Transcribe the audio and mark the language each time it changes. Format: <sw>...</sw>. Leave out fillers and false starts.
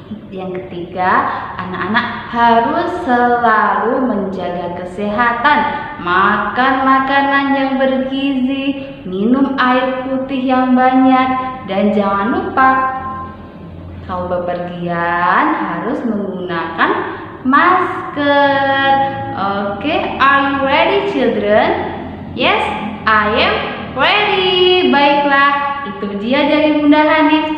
<id>Yang ketiga, anak-anak harus selalu menjaga kesehatan. Makan makanan yang bergizi, minum air putih yang banyak, dan jangan lupa kalau bepergian harus menggunakan masker.</id> <en>Oke, are you ready children? Yes, I am ready.</en> <id>Baiklah, itu dia dari Bunda Hanif.</id>